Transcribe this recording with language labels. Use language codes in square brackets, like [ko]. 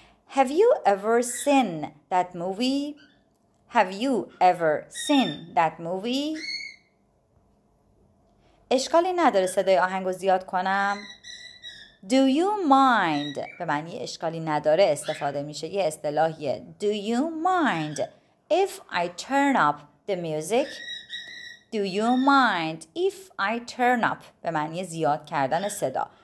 [en] Have you ever seen that movie? Have you ever seen that movie? [fa] اشکالی نداره صدای آهنگو زیاد کنم. [en] Do you mind [fa] به معنی اشکالی نداره استفاده میشه. یه اصطلاحیه. [en] Do you mind if I turn up the music? Do you mind if I turn up [fa] به معنی زیاد کردن صدا.